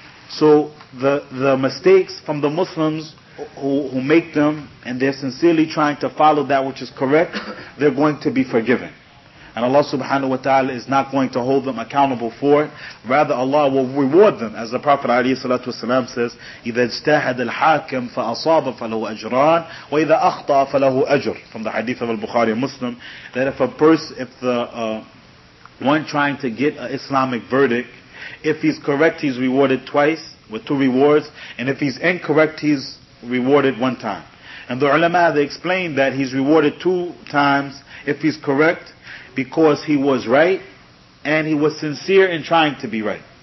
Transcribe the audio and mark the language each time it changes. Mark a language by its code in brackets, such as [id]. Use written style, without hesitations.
[en] So the mistakes from the Muslims who make them, and they're sincerely trying to follow that which is correct, they're going to be forgiven. And Allah subhanahu wa ta'ala is not going to hold them accountable for it. Rather, Allah will reward them. [ar] As the Prophet alayhi salatu wasalam says, إِذَا اجْتَهَدَ الْحَاكِمْ فَأَصَابَ فَلَهُ أَجْرًا وَإِذَا أَخْطَأَ فَلَهُ أَجْرٌ. [en] From the hadith of al-Bukhari and Muslim, that if a person, if the one trying to get an Islamic verdict, if he's correct, he's rewarded twice with two rewards. And if he's incorrect, he's rewarded one time. And the ulama, they explained that he's rewarded two times if he's correct, because he was right, and he was sincere in trying to be right.